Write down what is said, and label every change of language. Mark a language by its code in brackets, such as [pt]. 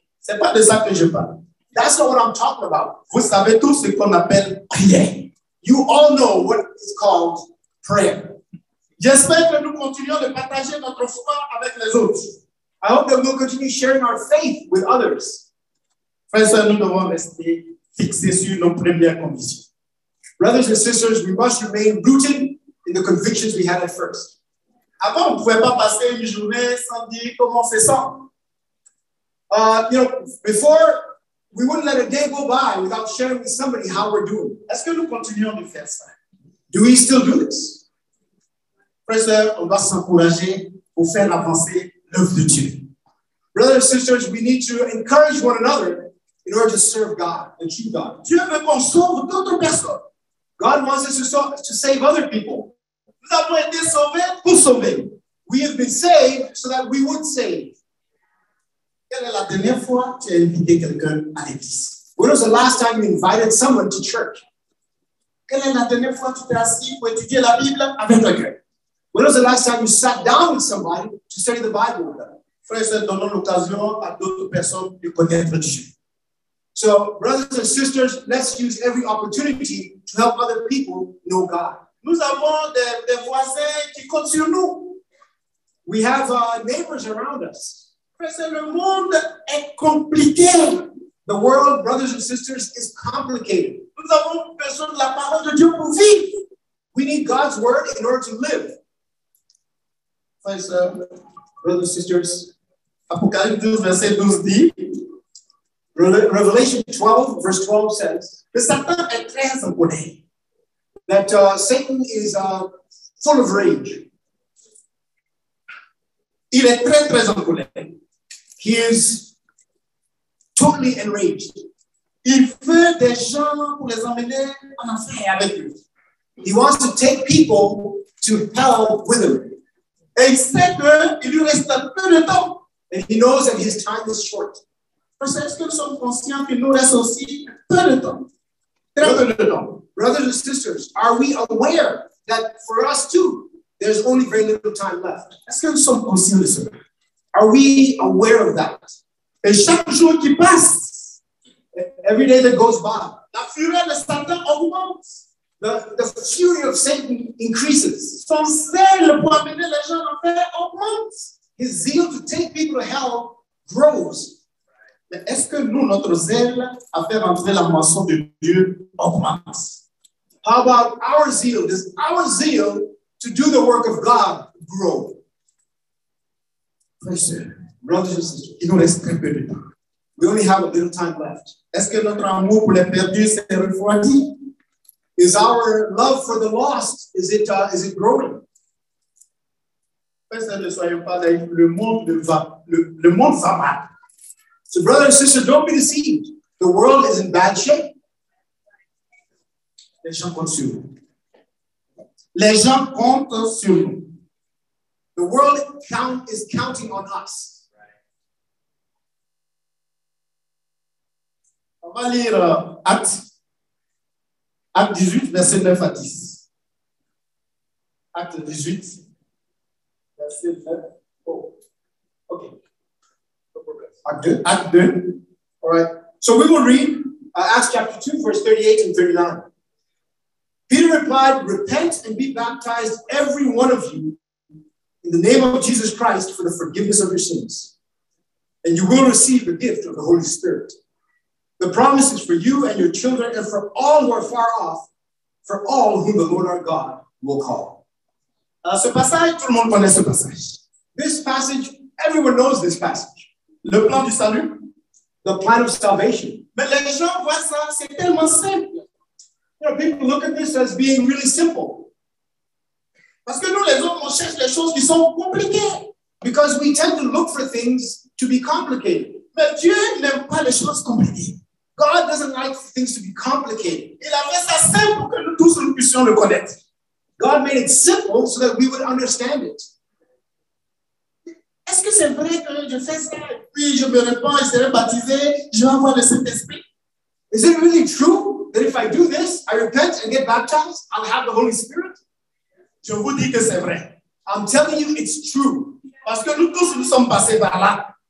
[fr] Ce n'est pas de ça que je parle. [en] That's not what I'm talking about. [fr] Vous savez tout ce qu'on appelle prière. [en] You all know what is called prayer. [fr] J'espère que nous continuons de partager notre foi avec les autres. [en] I hope that we'll continue sharing our faith with others. [fr] Frères et sœurs, nous devons rester fixés sur nos premières convictions. [en] Brothers and sisters, we must remain rooted in the convictions we had at first. [fr] Avant, on ne pouvait pas passer une journée sans dire comment c'est ça. [en] Before, we wouldn't let a day go by without sharing with somebody how we're doing. [fr] Est-ce que nous continuons de faire ça? [en] Do we still do this? [fr] Frères et sœurs, on doit s'encourager pour faire avancer l'œuvre de Dieu. [en] Brothers and sisters, we need to encourage one another in order to serve God, the true God. [fr] Dieu veut qu'on sauve d'autres personnes. [en] God wants us to save other people. [fr] Nous avons été sauvés pour sauver. [en] We have been saved so that we would save. [fr] Quelle est la dernière fois que tu as invité quelqu'un à l'église? [en] When was the last time you invited someone to church? [fr] Quelle est la dernière fois que tu t'es assis pour étudier la Bible avec quelqu'un? [en] When was the last time you sat down with somebody to study the Bible with them? [fr] Frères et sœurs, donnons l'occasion à d'autres personnes de connaître Dieu. [en] So, brothers and sisters, let's use every opportunity to help other people know God. [fr] Nous avons des voisins qui comptent sur nous. [en] We have neighbors around us. [fr] Le monde est compliqué. [en] The world, brothers and sisters, is complicated. [fr] Nous avons besoin de la parole de Dieu pour vivre. [en] We need God's word in order to live. [fr] Frères, [en] brothers and sisters, [fr] Apocalypse 12, verset 12 dit, [en] Revelation 12, verse 12 says, [fr] que Satan est très en colère. [en] That Satan is full of rage. [fr] Il est très, très en colère. [en] He is totally enraged. [fr] Il veut des gens pour les emmener en enfer avec lui. [en] He wants to take people to hell with him. [fr] Et il sait qu'il lui reste peu de temps. [en] And he knows that his time is short. [fr] Parce que nous sommes conscients qu'il nous reste aussi peu de temps. Très peu de temps. [en] Brothers and sisters, are we aware that for us too, there's only very little time left? [fr] Est-ce que nous sommes conscients de ça? [en] Are we aware of that? [fr] Et chaque jour qui passe, [en] every day that goes by, [fr] la fureur de Satan augmente. [en] the fury of Satan increases. [fr] Son zèle le pour amener les gens en fait augmente. [en] His zeal to take people to hell grows. [fr] Mais est-ce que nous, notre zèle à faire entrer la moisson de Dieu augmente? [en] How about our zeal? Does our zeal to do the work of God grow? Brothers and sisters, [fr] il nous reste très peu de temps. [en] We only have a little time left. [fr] Est-ce que notre amour pour les perdus s'est refroidi? [en] Is our love for the lost, is it growing? [fr] Personne ne soyons pas là, le monde va mal. [en] So brother and sister, don't be deceived. The world is in bad shape. [fr] Les gens comptent sur nous. [en] The world is counting on us. [fr] On va lire Acte 18, verset 9 à 10. Acte 18, verset 9. [en] Oh, OK. No problem. [fr] Acte 2. [en] All right. So we will read Acts chapter 2, verse 38 and 39. Peter replied, "Repent and be baptized, every one of you, in the name of Jesus Christ for the forgiveness of your sins. And you will receive the gift of the Holy Spirit. The promise is for you and your children and for all who are far off, for all whom the Lord our God will call." [fr] Ce passage, tout le monde connaît ce passage. [en] This passage, everyone knows this passage. [fr] Le plan du salut. [en] The plan of salvation. [fr] Mais les gens voient ça, c'est tellement simple. [en] You know, people look at this as being really simple. [fr] Parce que nous, les hommes, on cherche les choses qui sont compliquées. [en] Because we tend to look for things to be complicated. [fr] Mais Dieu n'aime pas les choses compliquées. [en] God doesn't like things to be complicated. [fr] Il a fait ça simple pour que nous tous nous puissions le connaître. [en] God made it simple so that we would understand it. [fr] Est-ce que c'est vrai que je fais ça? Oui, je me réponds, je serai baptisé, je vais avoir le Saint-Esprit. [en] Is it really true that if I do this, I repent and get baptized, I'll have the Holy Spirit? [fr] Je vous dis que c'est vrai. [en] I'm telling you it's true. [fr] Parce que nous tous nous sommes passés par là.